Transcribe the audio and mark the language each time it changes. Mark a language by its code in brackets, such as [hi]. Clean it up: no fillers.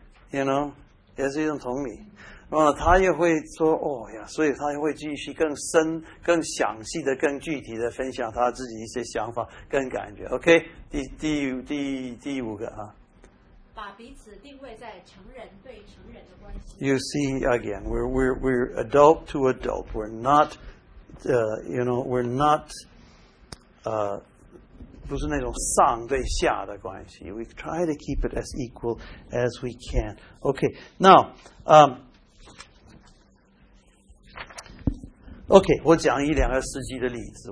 [en] You know, [zh] 也是一种同理。然后他也会说，哦呀，所以他也会继续更深、更详细的、更具体的分享他自己一些想法跟感觉。 OK, 第五个啊。把彼此定位在成人对成人的关系。 [en] You see again, we're adult to adult. We're not, you know, we're not, [zh] 不是那种上对下的关系。 [en] We try to keep it as equal as we can. Okay, now, okay, [zh] 我讲一两个实际的例子。